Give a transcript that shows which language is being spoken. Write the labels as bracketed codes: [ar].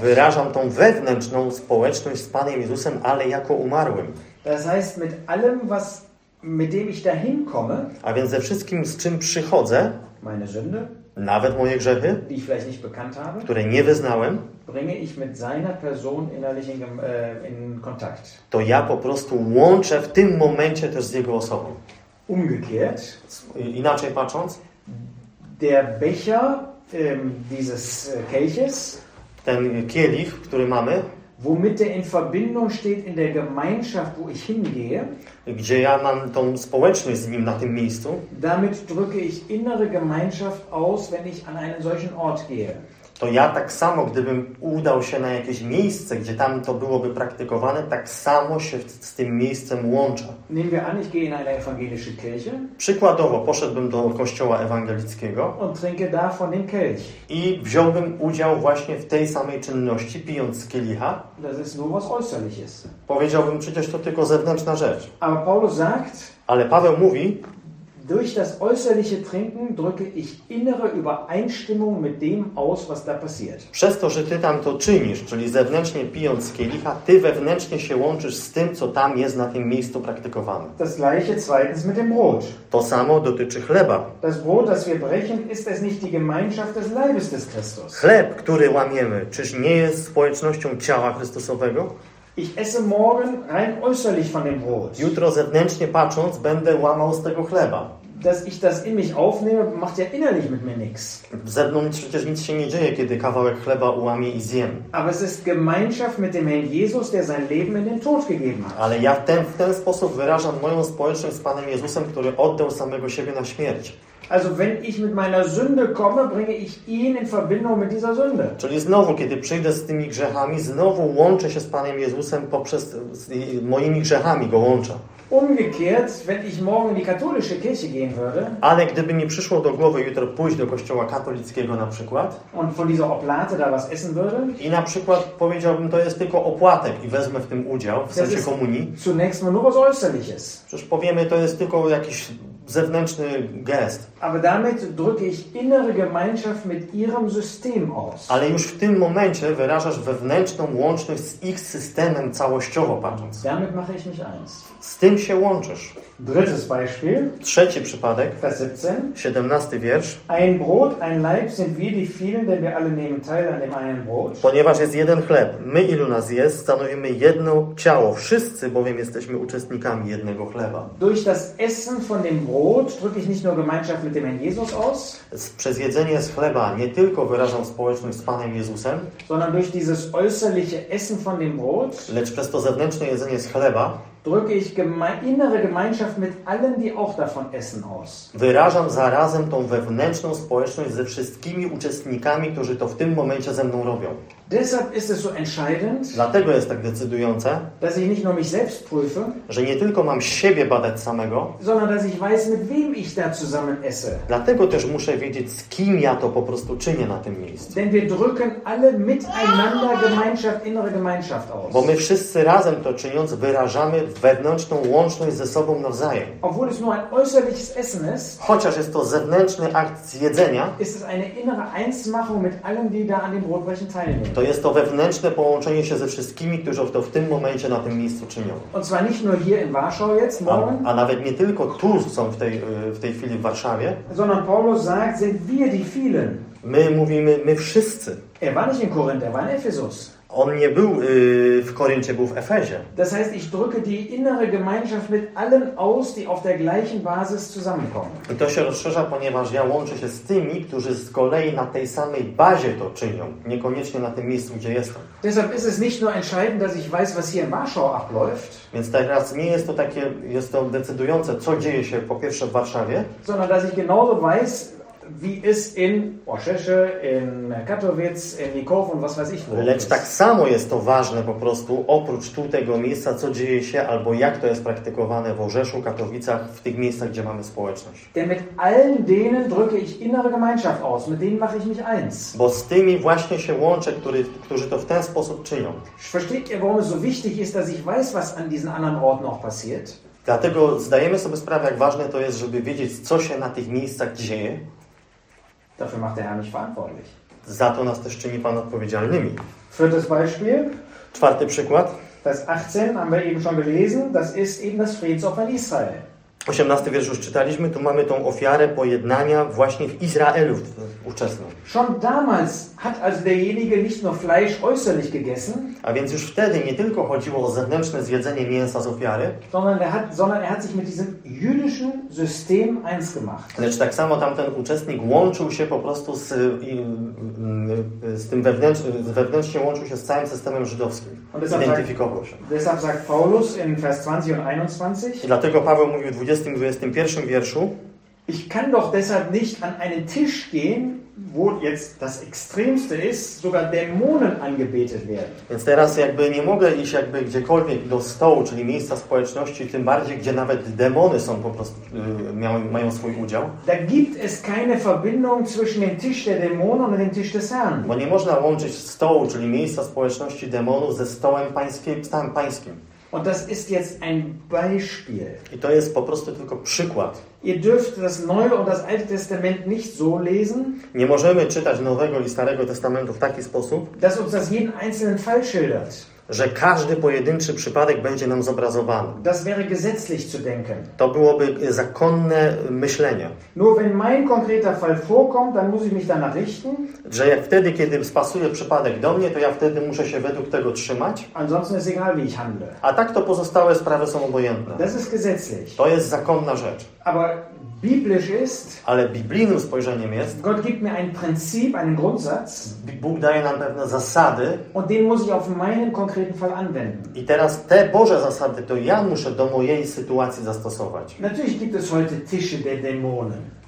[pl] Wyrażam tą wewnętrzną społeczność z Panem Jezusem, ale jako umarłym. [de] Das heißt, mit allem, was mit dem ich dahin komme, [pl] a więc ze wszystkim, z czym przychodzę, [de] meine Sünde, [pl] nawet moje grzechy, [de] die ich vielleicht nicht bekannt habe, [pl] które nie wyznałem, [de] bringe ich mit seiner Person innerlich in Kontakt. [pl] To ja po prostu łączę w tym momencie też z jego osobą. [de] Umgekehrt, [pl] inaczej patrząc, [de] der Becher dieses Kelches, [pl] ten kielich, który mamy, [de] womit der in Verbindung steht in der Gemeinschaft, wo ich hingehe, [pl] gdzie ja mam tą społeczność z nim na tym miejscu, [de] damit drücke ich innere Gemeinschaft aus, wenn ich an einen solchen Ort gehe. [pl] To ja tak samo, gdybym udał się na jakieś miejsce, gdzie tam to byłoby praktykowane, tak samo się z tym miejscem łączę. [de] Nehmen wir an, ich gehe in eine evangelische Kirche. [pl] Przykładowo, poszedłbym do kościoła ewangelickiego [de] und trinke da von dem Kelch. [pl] I wziąłbym udział właśnie w tej samej czynności, pijąc z kielicha. [de] Das ist nur was äußerliches. [pl] Powiedziałbym, przecież to tylko zewnętrzna rzecz. [de] Aber Paulus sagt, [pl] ale Paweł mówi, [de] durch das äußerliche Trinken drücke ich innere Übereinstimmung mit dem aus, was da passiert. [pl] Przez to, że ty tam to czynisz, czyli zewnętrznie pijąc z kielicha, ty wewnętrznie się łączysz z tym, co tam jest na tym miejscu praktykowane. [de] Das gleiche zweitens mit dem Brot. [pl] To samo dotyczy chleba. [de] Das Brot, das wir brechen, ist es nicht die Gemeinschaft des Leibes des Christus. [pl] Chleb, który łamiemy, czyż nie jest społecznością ciała Chrystusowego? [de] Ich esse morgen rein äußerlich von dem Brot. [pl] Jutro zewnętrznie patrząc, będę łamał z tego chleba. [de] Dass ich das in mich aufnehme, macht ja innerlich mit mir nichts. [pl] Zewnątrz przecież nic się nie dzieje, kiedy kawałek chleba ułamie i zjem. [de] Aber es ist Gemeinschaft mit dem Herrn Jesus, der sein Leben in den Tod gegeben hat. [pl] Ale ja w ten sposób wyrażam moją społeczność z Panem Jezusem, który oddał samego siebie na śmierć. [de] Also wenn ich mit meiner Sünde komme, bringe ich ihn in Verbindung mit dieser Sünde. [pl] Czyli znowu, kiedy przyjdę z tymi grzechami, znowu łączę się z Panem Jezusem poprzez z moimi grzechami go łączę. [de] Umgekehrt, wenn ich morgen in die katholische Kirche gehen würde. [pl] Ale gdyby mi przyszło do głowy jutro pójść do kościoła katolickiego na przykład. [de] Und von dieser Oplate da was essen würde. [pl] I na przykład powiedziałbym, to jest tylko opłatek i wezmę w tym udział w sensie komunii. [de] Zunächst mal nur was Äußerliches. [pl] Przecież powiemy, to jest tylko jakiś zewnętrzny gest. [de] Aber damit drücke ich innere Gemeinschaft mit ihrem System aus. [pl] Ale już w tym momencie wyrażasz wewnętrzną łączność z ich systemem całościowo patrząc. [de] Damit mache ich mich eins. [pl] Z tym się łączysz. [de] Drittes Beispiel. [pl] Trzeci przypadek. [de] Vers 17. [pl] 17 wiersz. [de] Ein Brot, ein Leib sind wir die vielen, denn wir alle nehmen teil an dem einen Brot. [pl] Ponieważ jest jeden chleb, my ilu nas jest, stanowimy jedno ciało. Wszyscy bowiem jesteśmy uczestnikami jednego chleba. [de] Durch das Essen von dem Brot drücke ich nicht nur Gemeinschaft mit dem Herrn Jesus aus. [pl] Przez jedzenie z chleba nie tylko wyrażam społeczność z Panem Jezusem, [de] sondern durch dieses äußerliche Essen von dem Brot. [pl] Lecz przez to zewnętrzne jedzenie z chleba. [de] Drücke ich innere Gemeinschaft mit allen, die auch davon essen, aus. [pl] Wyrażam zarazem tą wewnętrzną społeczność ze wszystkimi uczestnikami, którzy to w tym momencie ze mną robią. [de] Deshalb ist es so entscheidend. [pl] Dlatego jest tak decydujące, [de] dass ich nicht nur mich selbst prüfe, [pl] że nie tylko mam siebie badać samego, [de] sondern dass ich weiß, mit wem ich da zusammen esse. [pl] Dlatego też muszę wiedzieć, z kim ja to po prostu czynię na tym miejscu. [de] Denn wir drücken alle miteinander Gemeinschaft, innere Gemeinschaft aus. [pl] Bo my wszyscy razem to czyniąc wyrażamy wewnętrzną łączność ze sobą nawzajem. [de] Obwohl es nur ein äußerliches Essen ist, [pl] chociaż jest to zewnętrzny akt zjedzenia, [de] ist es eine innere Einsmachung mit allen, die da an dem Brotbrechen teilnehmen. [pl] To jest to wewnętrzne połączenie się ze wszystkimi, którzy to w tym momencie na tym miejscu czynią. [de] Und zwar nicht nur hier in Warschau jetzt, morgen, [pl] a nawet nie tylko tu są w tej chwili w Warszawie, [de] sondern Paulus sagt, sind wir die vielen. [pl] My mówimy, my wszyscy. [de] Er war nicht in Korinth, er war in Ephesus. [pl] On nie był w Koryncie, był w Efezie. [de] Das heißt, ich drücke die innere Gemeinschaft mit allen aus, die auf der gleichen Basis zusammenkommen. [pl] I to się rozszerza, ponieważ ja łączę się z tymi, którzy z kolei na tej samej bazie to czynią, niekoniecznie na tym miejscu, gdzie jestem. [de] Deshalb ist es nicht nur entscheidend, dass ich weiß, was hier in Warschau abläuft. [pl] Więc teraz nie jest to takie, jest to decydujące, co dzieje się po pierwsze w Warszawie, [de] sondern dass ich genauso weiß, wie es in Oschesche, in Katowice, in Nikow und was weiß ich wo. [pl] Lecz tak samo jest to ważne po prostu, oprócz tu tego miejsca, co dzieje się, albo jak to jest praktykowane w Orzeszu, Katowicach, w tych miejscach, gdzie mamy społeczność. [de] Denn mit allen denen drücke ich innere Gemeinschaft aus, mit denen mache ich mich eins. [pl] Bo z tymi właśnie się łączę, którzy to w ten sposób czynią. [de] Versteht ihr, warum es so wichtig ist, dass ich weiß, was an diesen anderen Orten auch passiert? [pl] Dlatego zdajemy sobie sprawę, jak ważne to jest, żeby wiedzieć, co się na tych miejscach dzieje. [de] Dafür macht der Herr mich verantwortlich. [pl] Za to nas też czyni Pan odpowiedzialnymi. [de] Viertes Beispiel. [pl] Czwarty przykład. [de] Vers 18 haben wir eben schon gelesen. Das ist eben das Friedensopfer Israel. [pl] 18 wiersz już czytaliśmy. Tu mamy tą ofiarę pojednania właśnie w Izraelu ówczesną. [de] Schon damals hat also derjenige nicht nur Fleisch äußerlich gegessen. [pl] A więc już wtedy nie tylko chodziło o zewnętrzne zjedzenie mięsa z ofiary, [de] sondern er hat sich mit diesem jüdischen System eins gemacht. [pl] Lecz tak samo tamten uczestnik łączył się po prostu z tym wewnętrznie łączył się z całym systemem żydowskim. Identyfikował się. [de] Deshalb sagt Paulus in Vers 20 und 21. [pl] I dlatego Paweł mówił w 21 wierszu. [de] Ich kann doch deshalb nicht an einen Tisch gehen, wo jetzt das Extremste ist, sogar Dämonen angebetet werden. [pl] Więc teraz jakby nie mogę iść jakby gdziekolwiek do stołu, czyli miejsca społeczności, tym bardziej, gdzie nawet demony są po prostu, mają swój udział. [de] Da gibt es keine Verbindung zwischen dem Tisch der Dämonen und dem Tisch des Herrn. [pl] Bo nie można łączyć stołu, czyli miejsca społeczności demonów ze stołem pańskim. [de] Und das ist jetzt ein Beispiel. [pl] I to jest po prostu tylko przykład. [de] Ihr dürft das Neue und das Alte Testament nicht so lesen. [pl] Nie możemy czytać Nowego i Starego Testamentu w taki sposób, [de] dass uns das jeden einzelnen Fall schildert. [pl] Że każdy pojedynczy przypadek będzie nam zobrazowany. [de] Das wäre gesetzlich zu denken. [pl] To byłoby zakonne myślenie. [de] Nur wenn mein konkreter Fall vorkommt, dann muss ich mich danach richten. [pl] Że jak wtedy, kiedy spasuje przypadek do mnie, to ja wtedy muszę się według tego trzymać. [de] Ansonsten ist egal, wie ich handle. [pl] A tak to pozostałe sprawy są obojętne. [de] Das ist gesetzlich. [pl] To jest zakonna rzecz. [de] Aber biblisch ist, [pl] ale biblijnym spojrzeniem jest, [de] Gott gibt mir ein Prinzip, einen Grundsatz, [pl] Bóg daje nam pewne zasady, [de] und den muss ich auf meinen konkreten Fall anwenden. [pl] I teraz te Boże zasady to ja muszę do mojej sytuacji zastosować. [de] Natürlich gibt es heute Tische der Dämonen.